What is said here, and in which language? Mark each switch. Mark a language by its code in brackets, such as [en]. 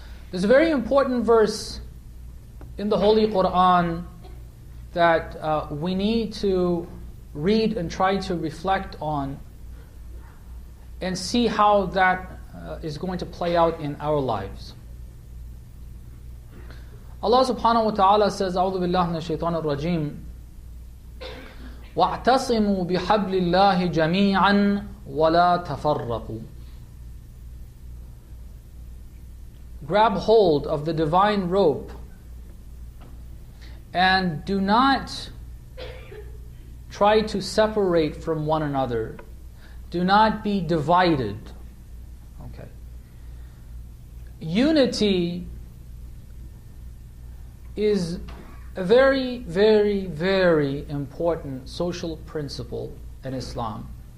[en] There's a very important verse in the Holy Quran that we need to read and try to reflect on and see how that is going to play out in our lives. Allah subhanahu wa ta'ala says, [ar] أعوذ بالله من الشيطان الرجيم واعتصموا بحبل الله جميعا ولا تفرقوا. [en] Grab hold of the divine rope and do not try to separate from one another. Do not be divided. Okay. Unity is a very, very, very important social principle in Islam.